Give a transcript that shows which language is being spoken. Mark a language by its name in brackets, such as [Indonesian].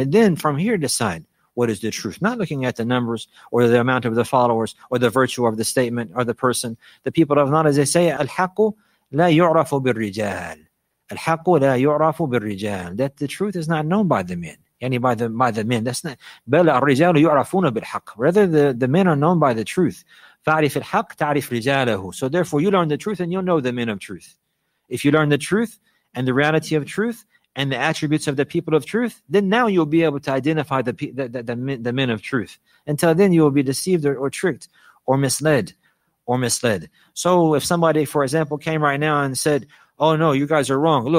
[English] And then from here decide what is the truth. Not looking at the numbers or the amount of the followers or the virtue of the statement or the person. The people of knowledge, as they say, [Arabic] al-haqqu la yu'rafu bil-rijal. Al-haqqu la yu'rafu bil-rijal. [English] That the truth is not known by the men. By the men. That's not [Arabic] بَلَ الرِّجَالُ يُعْرَفُونَ بِالْحَقِّ. [English] Rather, the men are known by the truth. [Arabic] فَعْرِفْ الْحَقِّ تَعْرِفْ رِجَالَهُ. [English] So therefore, you learn the truth and you'll know the men of truth. If you learn the truth and the reality of truth and the attributes of the people of truth, then now you'll be able to identify the men of truth. Until then, you will be deceived or tricked or misled. So if somebody, for example, came right now and said, oh no, you guys are wrong.